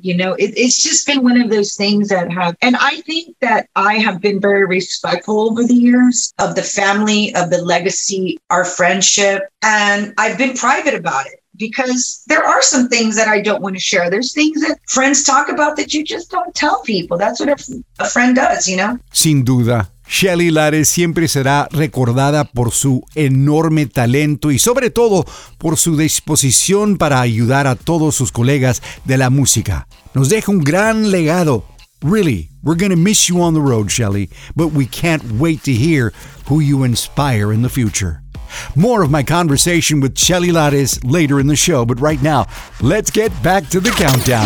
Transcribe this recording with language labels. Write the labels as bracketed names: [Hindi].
[English] You know, it's just been one of those things that have, and I think that I have been very respectful over the years of the family, of the legacy, our friendship, and I've been private about it. Because there are some things that I don't want to share. There's things that friends talk about that you just don't tell people. That's what a friend does, you know? [Spanish] Sin duda, Shelly Lattis siempre será recordada por su enorme talento y sobre todo por su disposición para ayudar a todos sus colegas de la música. Nos deja un gran legado. [English] Really, we're going to miss you on the road, Shelly, but we can't wait to hear who you inspire in the future. More of my conversation with Shelly Lattis later in the show, but right now, let's get back to the countdown.